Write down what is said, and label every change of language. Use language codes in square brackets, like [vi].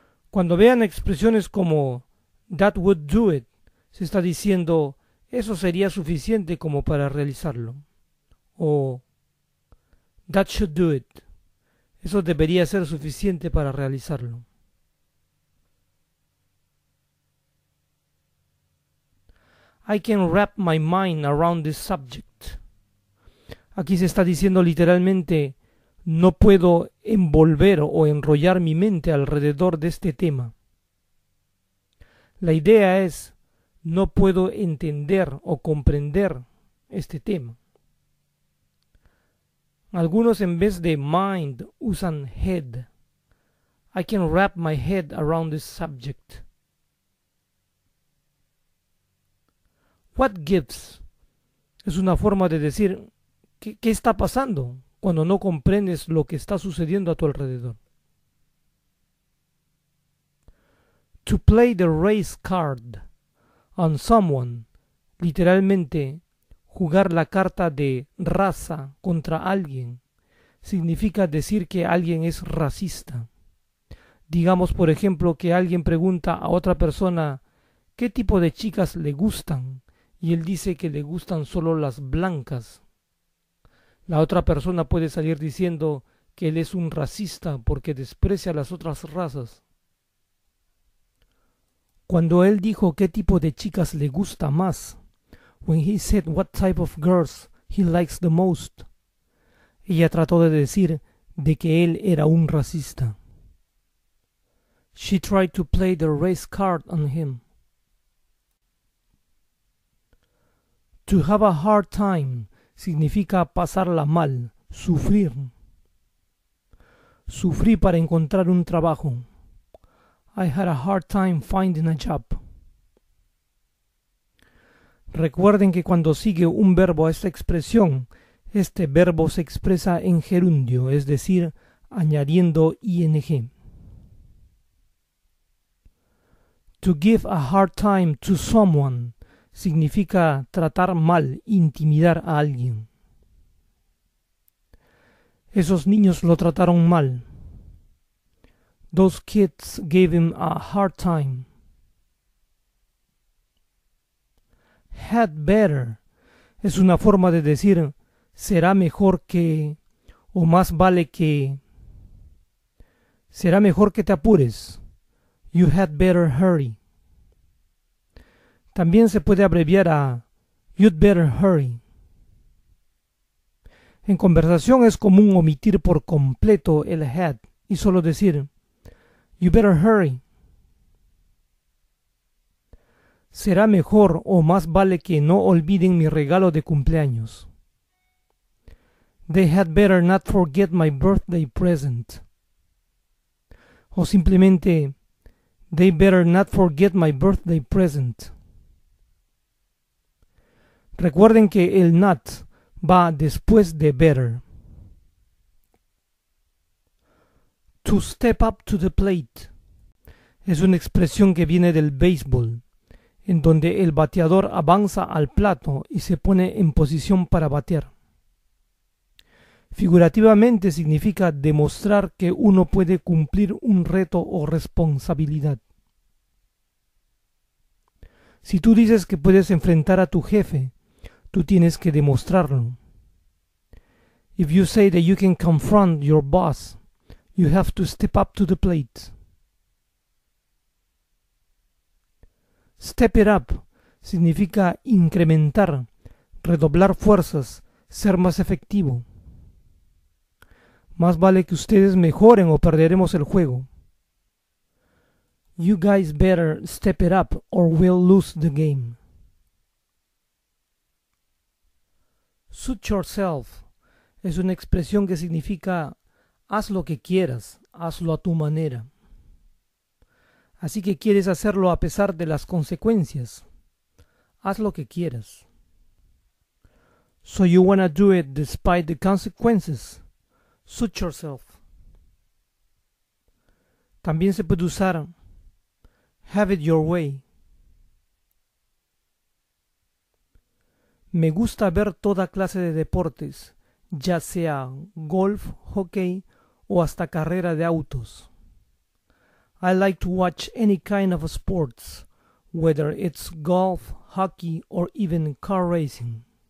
[es] Cuando vean expresiones como [en] that would do it, [es] se está diciendo eso sería suficiente como para realizarlo. [en] O that should do it. [es] Eso debería ser suficiente para realizarlo. [en] I can wrap my mind around this subject. [es] Aquí se está diciendo literalmente, no puedo envolver o enrollar mi mente alrededor de este tema. La idea es, no puedo entender o comprender este tema. Algunos en vez de mind usan head. [en] I can wrap my head around this subject. What gives? [es] Es una forma de decir, ¿qué está pasando cuando no comprendes lo que está sucediendo a tu alrededor? [en] To play the race card on someone, [es] literalmente jugar la carta de raza contra alguien, significa decir que alguien es racista. Digamos, por ejemplo, que alguien pregunta a otra persona, ¿qué tipo de chicas le gustan? Y él dice que le gustan solo las blancas. La otra persona puede salir diciendo que él es un racista porque desprecia a las otras razas. Cuando él dijo qué tipo de chicas le gusta más, [en] when he said what type of girls he likes the most, [es] ella trató de decir de que él era un racista. [en] She tried to play the race card on him. To have a hard time. [es] Significa pasarla mal, sufrir. Sufrí para encontrar un trabajo. [en] I had a hard time finding a job. [es] Recuerden que cuando sigue un verbo a esta expresión, este verbo se expresa en gerundio, es decir, añadiendo ing. [en] To give a hard time to someone. [es] Significa tratar mal, intimidar a alguien. Esos niños lo trataron mal. [en] Those kids gave him a hard time. Had better [es] es una forma de decir será mejor que o más vale que. Será mejor que te apures. [en] You had better hurry. [es] También se puede abreviar a [en] you'd better hurry. [es] En conversación es común omitir por completo el had y solo decir [en] you better hurry. [es] Será mejor o más vale que no olviden mi regalo de cumpleaños. [en] They had better not forget my birthday present. O simplemente, they better not forget my birthday present. [es] Recuerden que el not va después de better. [en] To step up to the plate [es] es una expresión que viene del béisbol, en donde el bateador avanza al plato y se pone en posición para batear. Figurativamente significa demostrar que uno puede cumplir un reto o responsabilidad. Si tú dices que puedes enfrentar a tu jefe, tú tienes que demostrarlo. [en] If you say that you can confront your boss, you have to step up to the plate. Step it up [es] significa incrementar, redoblar fuerzas, ser más efectivo. Más vale que ustedes mejoren o perderemos el juego. [en] You guys better step it up or we'll lose the game. Suit yourself [es] es una expresión que significa haz lo que quieras, hazlo a tu manera. Así que quieres hacerlo a pesar de las consecuencias. Haz lo que quieras. [en] So you wanna do it despite the consequences. Suit yourself. [es] También se puede usar [en] have it your way. [es] Me gusta ver toda clase de deportes, ya sea golf, hockey o hasta carrera de autos. [en] I like to watch any kind of sports, whether it's golf, hockey or even car racing.